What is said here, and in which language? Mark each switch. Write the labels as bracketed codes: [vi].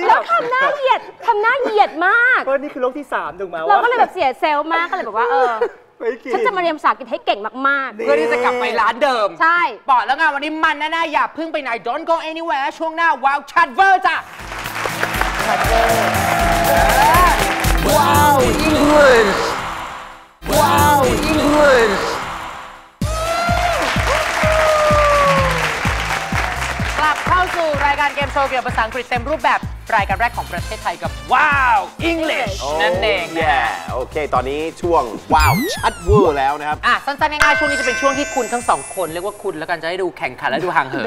[th] แล้วทำหน้าเหยียดทำหน้าเหยียดมาก ก็นี่คือโลกที่3ถูกมั้ย เราก็เลยแบบเสียเซลล์มากก็เลยบอกว่าฉันจะมาเรียนภาษาอังกฤษให้เก่งมาก ๆเพื่อที่จะกลับไปร้านเดิม ใช่ ปอดแล้วงานวันนี้มันแน่ๆอย่าเพิ่งไปไหน [en] Don't go anywhere [th] ช่วงหน้า Wow Chatver จ้ะ [en] Wow English Wow English [th] การเกมโชว์เกี่ยวกับภาษาอังกฤษเต็มรูปแบบรายการแรกของประเทศไทยกับ Wow English นั่นเอง โอเคตอนนี้ช่วง Wow Chatver แล้วนะครับ สั้นๆง่ายๆช่วงนี้จะเป็นช่วงที่คุณทั้ง2คนเรียกว่าคุณแล้วกันจะให้ดูแข่งขันและดูห่างเหิน